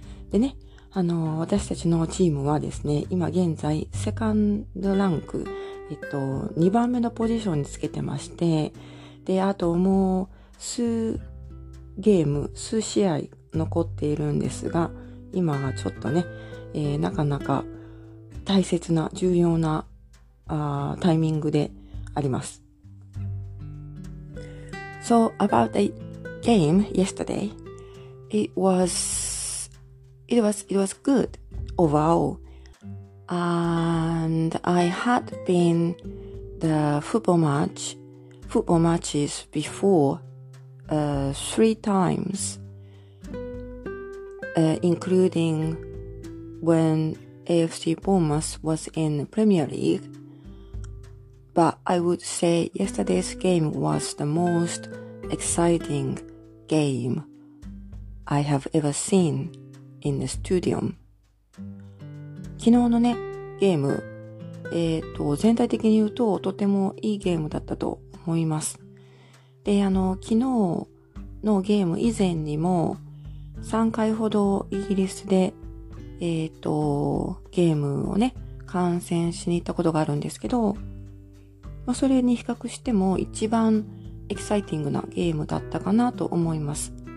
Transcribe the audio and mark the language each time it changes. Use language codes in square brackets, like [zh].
[ja] でね、私たちのチームはですね、今現在セカンドランク、2番目のポジションにつけてまして、で、あともう数ゲーム、数試合残っているんですが、今はちょっとね、なかなか大切な、重要なタイミングであります。 [en] So about the game yesterday, it was good overall, and I had been the football matches before three times, including when AFC Bournemouth was in Premier League. But I would say yesterday's game was the most exciting game I have ever seen in the stadium. [ja] 昨日のね、ゲーム、全体的に言うととてもいいゲームだったと思います。で、昨日のゲーム以前にも3回ほどイギリスで、ゲームをね、観戦しに行ったことがあるんですけど、まあ、それに比較しても一番エキサイティングなゲームだったかなと思います。